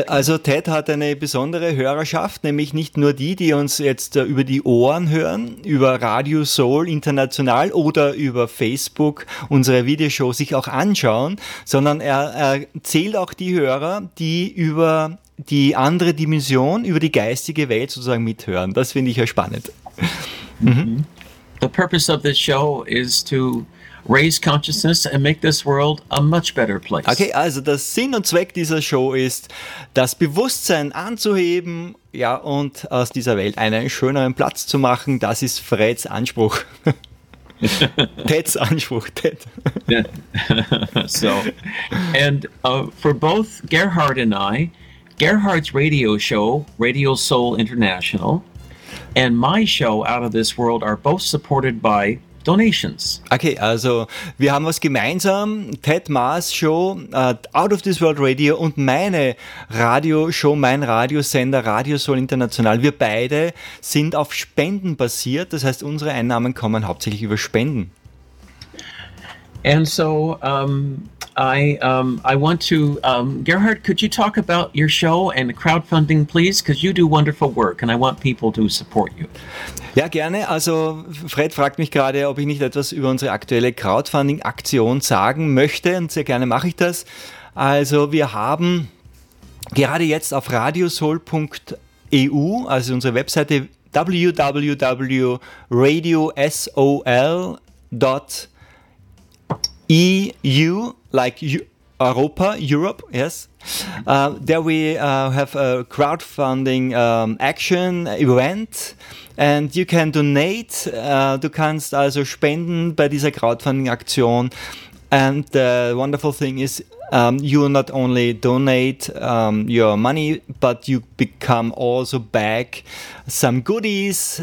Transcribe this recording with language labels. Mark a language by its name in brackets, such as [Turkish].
[German] Also Ted hat eine besondere Hörerschaft, nämlich nicht nur die uns jetzt über die Ohren hören, über Radio Soul International oder über Facebook unsere Videoshow sich auch anschauen, sondern er zählt auch die Hörer, die über die andere Dimension, über die geistige Welt sozusagen mithören. Das finde ich ja spannend. Mm-hmm. [English] The purpose of this show is to raise consciousness and make this world a much better place. [German] Okay, also der Sinn und Zweck dieser Show ist, das Bewusstsein anzuheben, ja, und aus dieser Welt einen schöneren Platz zu machen. Das ist Freds Anspruch. Ted's Anspruch, Ted. [English] So, and for both Gerhard and I, Gerhard's radio show, Radio Soul International, and my show, Out of This World, are both supported by donations. [German] Okay, also wir haben was gemeinsam. Ted Maas Show, Out of This World Radio und meine Radioshow, mein Radiosender Radio Soul International. Wir beide sind auf Spenden basiert. Das heißt, unsere Einnahmen kommen hauptsächlich über Spenden. [English] And so, I want to, Gerhard, could you talk about your show and crowdfunding, please? Because you do wonderful work and I want people to support you. [German] Ja, gerne. Also Fred fragt mich gerade, ob ich nicht etwas über unsere aktuelle Crowdfunding-Aktion sagen möchte, und sehr gerne mache ich das. Also wir haben gerade jetzt auf radiosol.eu, also unsere Webseite www.radiosol.eu, [English] like Europa, Europe, yes. There we have a crowdfunding action event and you can donate. [German] Du kannst also spenden bei dieser Crowdfunding Aktion. [English] And the wonderful thing is you not only donate your money, but you become also back some goodies.